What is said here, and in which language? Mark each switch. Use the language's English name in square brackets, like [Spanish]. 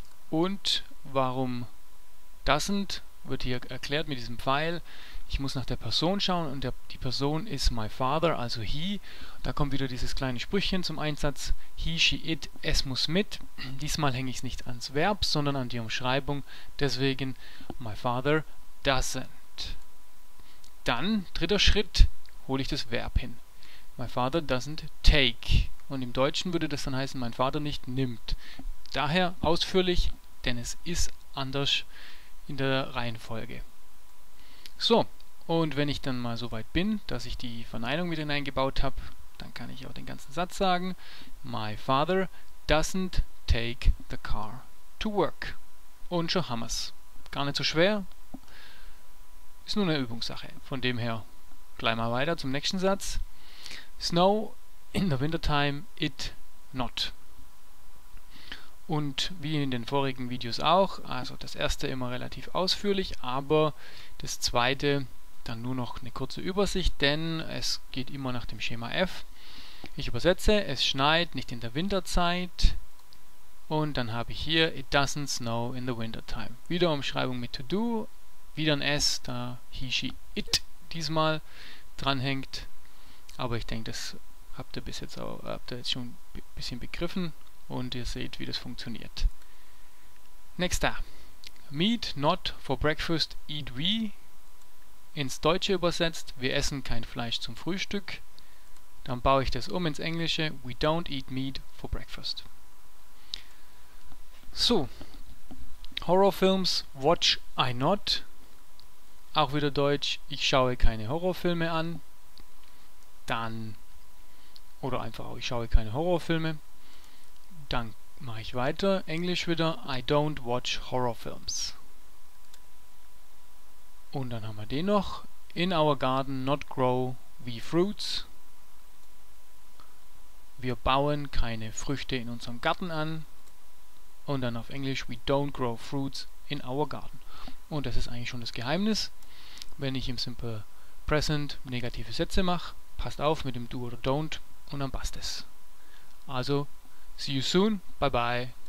[German] Und warum [English] doesn't, [German] wird hier erklärt mit diesem Pfeil. Ich muss nach der Person schauen und die Person ist [English] my father, [German] also [English] he. [German] Da kommt wieder dieses kleine Sprüchchen zum Einsatz. [English] He, she, it, [German] es muss mit. Diesmal hänge ich es nicht ans Verb, sondern an die Umschreibung. Deswegen [English] my father doesn't. [German] Dann, dritter Schritt, hole ich das Verb hin. [English] My father doesn't take. [German] Und im Deutschen würde das dann heißen, mein Vater nicht nimmt. Daher ausführlich, denn es ist anders in der Reihenfolge. So, und wenn ich dann mal so weit bin, dass ich die Verneinung mit hineingebaut habe, dann kann ich auch den ganzen Satz sagen. [English] My father doesn't take the car to work. [German] Und schon haben wir's. Gar nicht so schwer. Ist nur eine Übungssache. Von dem her gleich mal weiter zum nächsten Satz. [English] Snow in the wintertime, it not. [German] Und wie in den vorigen Videos auch, also das erste immer relativ ausführlich, aber das zweite dann nur noch eine kurze Übersicht, denn es geht immer nach dem Schema F. Ich übersetze, es schneit nicht in der Winterzeit und dann habe ich hier, [English] it doesn't snow in the wintertime. [German] Wieder Umschreibung mit [English] to do, [German] wieder ein S, da [English] he, she, it [German] diesmal dranhängt, aber ich denke, das habt ihr bis jetzt auch, habt ihr jetzt schon ein bisschen begriffen und ihr seht, wie das funktioniert. Nächster. [English] Meat not for breakfast, eat we. [German] Ins Deutsche übersetzt, wir essen kein Fleisch zum Frühstück. Dann baue ich das um ins Englische, [English] we don't eat meat for breakfast. So. Horrorfilms watch I not. [German] Auch wieder Deutsch, ich schaue keine Horrorfilme an. Dann oder einfach auch, ich schaue keine Horrorfilme. Dann mache ich weiter. Englisch wieder, [English] I don't watch horror films. [German] Und dann haben wir den noch. [English] In our garden not grow we fruits. [German] Wir bauen keine Früchte in unserem Garten an. Und dann auf Englisch, [English] we don't grow fruits in our garden. [German] Und das ist eigentlich schon das Geheimnis. Wenn ich im Simple Present negative Sätze mache, passt auf mit dem do oder don't. Und dann passt es. Also, [English] see you soon. Bye bye.